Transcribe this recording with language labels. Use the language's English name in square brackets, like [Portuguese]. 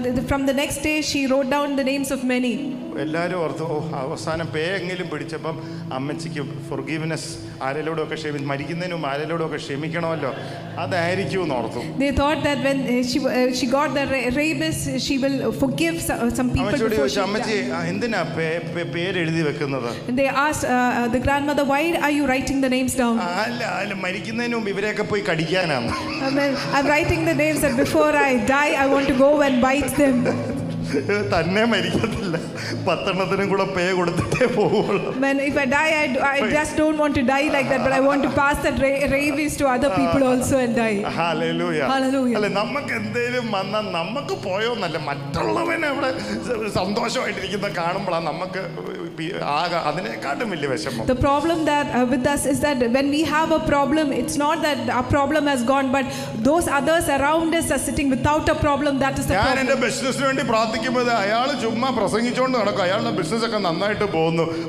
[English] From the next day she wrote down the names of many. [Malayalam] എല്ലാരും ഓർത്തു അവസാനം പേ എങ്കിലും പിടിച്ചപ്പം അമ്മച്ചിക്ക് ഫോർഗീവ്നെസ് ആരെലോടൊക്കെ ക്ഷമി മരിക്കുന്നതിനും ആരെലോടൊക്കെ ക്ഷമിക്കണമല്ലോ അതായിരിക്കും എന്ന് ഓർത്തു. [English] They thought that when she got the rabies she will forgive some people. [Malayalam] അമ്മച്ചി ചോദിച്ചു അമ്മച്ചി എന്തിനാ പേര് എഴുതി വെക്കുന്നത്. [English] They asked the grandmother why are you writing the names down. [Malayalam] അല്ല അല്ല മരിക്കുന്നതിനും മുമ്പ് ഇവരെയൊക്കെ പോയി കടിക്കാനാണ്. [English] Amen. I'm writing the names that before I die I want to go and bite them. [Malayalam] തന്നെ മരിക്കത്തില്ല പത്തെണ്ണത്തിനും കൂടെ പേ കൊടുത്തിട്ടേ പോവുള്ളൂ. [English] If I die, I just don't want to die like that, but I want to pass that rabies to other people also and die. Hallelujah. Hallelujah. [Malayalam] അല്ല നമുക്ക് എന്തെങ്കിലും വന്ന നമുക്ക് പോയോ എന്നല്ല മറ്റുള്ളവനെ അവിടെ സന്തോഷമായിട്ടിരിക്കുന്ന കാണുമ്പോഴാണ് നമുക്ക് [English] The problem that with us is that when we have a problem, it's not that our problem has gone, but those others around us are sitting without a problem. That is the problem. [Malayalam] ഞാൻ എൻ്റെ ബിസിനസ്സിന് വേണ്ടി പ്രാർത്ഥിക്കുമ്പോൾ അയാൾ ചുമ്മാ പ്രസംഗിച്ചുകൊണ്ട് നടക്കും അയാളുടെ business ഒക്കെ നന്നായിട്ട് പോകുന്നു.